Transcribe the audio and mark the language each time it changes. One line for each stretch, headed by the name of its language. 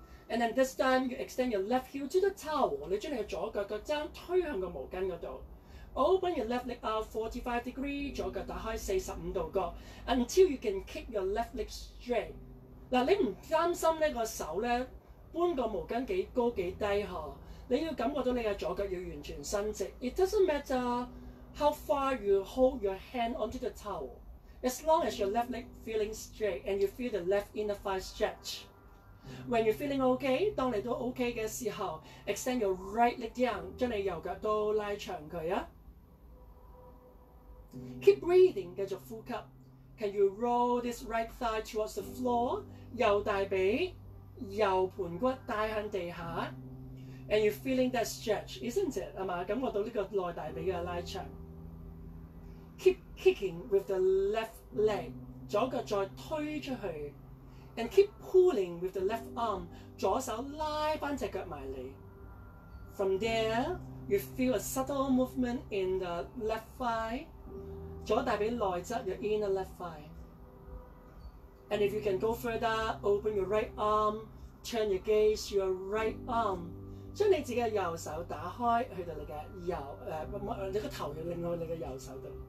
English: And then this time, you extend your left heel to the towel,
Chinese: 你將你嘅左腳腳踭推向個毛巾嗰度。
English: Open your left leg out 45 degrees,
Chinese: 左腳打開45度角。
English: Until you can kick your left leg straight.
Chinese: 嗱，你唔擔心咧個手咧搬個毛巾幾高幾低呵？你要感覺到你嘅左腳要完全伸直。
English: It doesn't matter how far you hold your hand onto the towel, as long as your left leg feeling straight and you feel the left inner thigh stretch. When you're feeling okay,
Chinese: 當你都 okay 嘅時候
English: ，extend your right leg down,
Chinese: 將你右腳都拉長佢啊。
English: Keep breathing,
Chinese: 繼續呼吸。
English: Can you roll this right thigh towards the floor?
Chinese: 右大髀、右盤骨帶向地下。
English: And you're feeling that stretch, isn't it?
Chinese: 係嘛？感覺到呢個內大髀嘅拉長。
English: Keep kicking with the left leg,
Chinese: 左腳再推出去。
English: And keep pulling with the left arm,
Chinese: 左手拉翻只腳埋嚟。
English: From there, you feel a subtle movement in the left thigh.
Chinese: 左大髀內側
English: your inner left thigh. And if you can go further, open your right arm, turn your gaze to your right arm.
Chinese: 將你自己嘅右手打開去到你嘅右你個頭要另外你嘅右手度。